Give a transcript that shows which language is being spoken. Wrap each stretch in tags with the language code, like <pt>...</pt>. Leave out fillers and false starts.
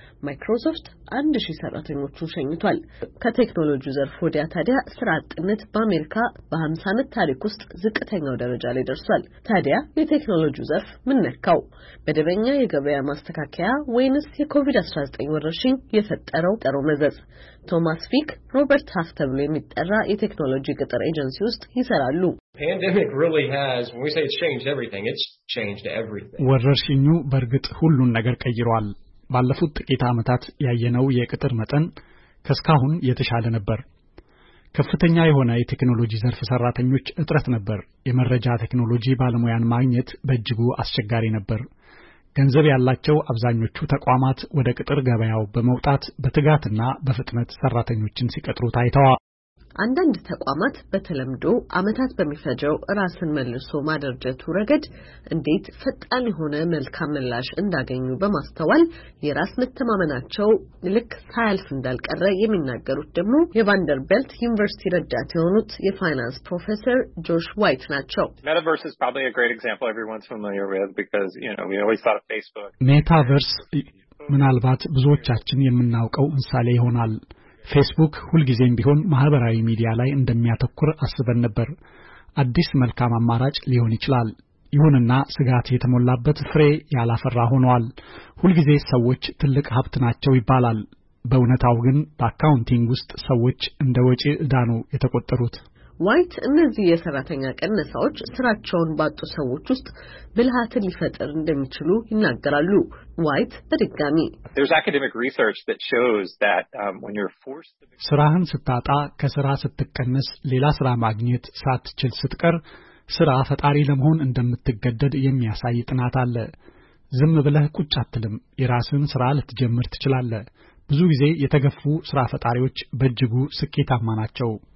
<am>ማይክሮሶፍት 1000 ሰራተኞችን ሸኝቷል። ከቴክኖሎጂ ዘርፍ ወዲያ ታዲያ ስራ አጥነት በአሜሪካ በ50 አመት ታሪክ ውስጥ ዝቅተኛው ደረጃ ላይ ደርሷል። ታዲያ የቴክኖሎጂ ዘርፍ ምን ነካው? መደበኛ የገበያ ማስተካከያ ወይንስ የኮቪድ-19 ወረርሽኝ የፈጠረው ጥሩ መዘዝ? ቶማስ ፊክ ሮበርት ሃፍተብሉ የሚጠራ የቴክኖሎጂ ቅጥር ኤጀንሲ ውስጥ ይሰራሉ።</am> <en>Pandemic really has, when we say it's changed everything, it's changed everything.</en> <am>ወረርሽኙ በርግጥ ሁሉን ነገር ቀይሯል። ባለፉት ጥቂት አመታት ያየነው የቅጥር መጠን ከስካሁን የተሻለ ነበር። ከፍተኛ የሆነ የቴክኖሎጂ ዘርፍ ሰራተኞች እጥረት ነበር። የመረጃ ቴክኖሎጂ ባለሙያን ማግኘት በእጅጉ አስቸጋሪ ነበር። ገንዘብ ያላቸው አብዛኞቹ ተቋማት ወደ ቅጥር ገበያው በመውጣት በትጋትና በፍጥነት ሰራተኞችን ሲቀጥሩ ታይተዋል። አንዳንድ ተቋማት በተለምዶ አመታት በሚፈጀው ራስን መልሶ ማደረጀቱ ረገድ እንዴት ፈጣን የሆነ መልካም ምላሽ እንዳገኙ በማስተዋል የራስ መተማመናቸው ልክ ሳይልፍ እንዳልቀረ የሚናገሩት ደግሞ የቫንደርቢልት ዩኒቨርሲቲ ረዳት የሆኑት የፋይናንስ ፕሮፌሰር ጆሽ ዋይት ናቸው።</am> <en>Metaverse is probably a great example everyone's familiar with because you know we always thought of Facebook.</en> <am>Metaverse ምናልባት ብዙዎቻችን የምናውቀው ምሳሌ ይሆናል። ፌስቡክ ሁልጊዜም ቢሆን ማህበራዊ ሚዲያ ላይ እንደሚያተኩር አስበን ነበር። አዲስ መልካም አማራጭ ሊሆን ይችላል። ይሁንና ስጋት የተሞላበት ፍሬ ያላፈራ ሆኗል። ሁልጊዜ ሰዎች ትልቅ ሀብት ናቸው ይባላል። በእውነታው ግን በአካውንቲንግ ውስጥ ሰዎች እንደ ወጪ ዕዳ ነው የተቆጠሩት። ዋይት እነዚህ የሰራተኛ ቀነሳዎች ስራቸውን ባጡ ሰዎች ውስጥ ብልሃትን ሊፈጥር እንደሚችሉ ይናገራሉ። ዋይት በድጋሚ</am> <en>There's academic research that shows that when you're forced to</en> <am>ስራህን ስታጣ ከስራ ስትቀነስ ሌላ ስራ ማግኘት ሳትችል ስትቀር ስራ ፈጣሪ ለመሆን እንደምትገደድ የሚያሳይ ጥናት አለ። ዝም ብለህ ቁጭ አትልም፣ የራስን ስራ ልትጀምር ትችላለህ። ብዙ ጊዜ የተገፉ ስራ ፈጣሪዎች በእጅጉ ስኬታማ ናቸው።</am>